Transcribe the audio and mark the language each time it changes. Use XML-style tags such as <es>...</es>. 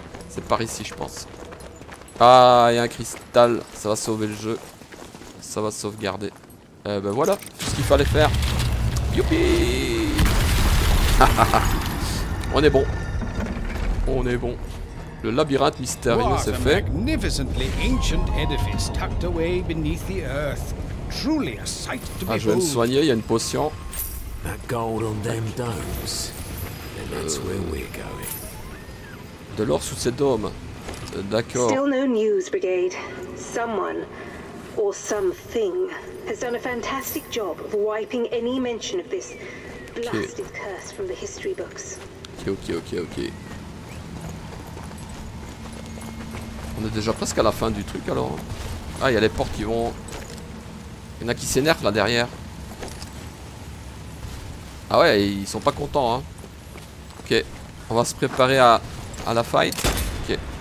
<fr>C'est par ici je pense. Ah, il y a un cristal. Ça va sauver le jeu. Ça va sauvegarder. Ben voilà, tout ce qu'il fallait faire. Youpi. On est bon. On est bon. Le labyrinthe mystérieux s'est fait.</fr> <en>What a magnificently ancient edifice tucked away beneath the earth. Truly a sight to behold.</en> <fr>Ah, je vais me soigner, il y a une potion.</fr> <en>That gold on them domes. And that's where we're going.</en> <fr>De l'or sous ces dômes. D'accord.</fr> <en>Still no news, Brigade. Someone or something has done a fantastic job of wiping any mention of this blasted curse from the history books.</en> <fr>Ok. On est déjà presque à la fin du truc alors. Ah, il y a les portes qui vont... Il y en a qui s'énervent là derrière. Ah ouais, ils sont pas contents. Hein. Ok, on va se préparer à la fight. Ok.</fr>